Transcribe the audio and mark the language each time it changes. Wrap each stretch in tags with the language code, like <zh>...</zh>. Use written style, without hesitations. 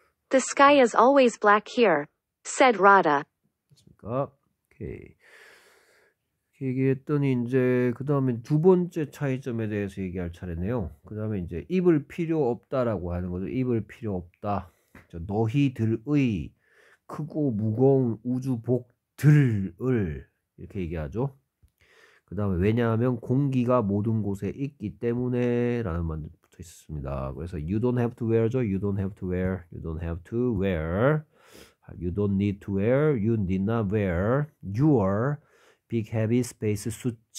<en>the sky is always black here, said Radha.</en> <ko>됐습니까? 오케이. 얘기했더니 이제 그 다음에 두 번째 차이점에 대해서 얘기할 차례네요. 그 다음에 이제 입을 필요 없다라고 하는 거죠. 입을 필요 없다. 저 너희들의 크고 무거운 우주복들을 이렇게 얘기하죠. 그 다음에 왜냐하면 공기가 모든 곳에 있기 때문에 라는 말도 붙어 있었습니다. 그래서</ko> <en>you don't have to wear죠. you don't have to wear, you don't have to wear, you don't need to wear, you need not wear your big heavy space suit.</en>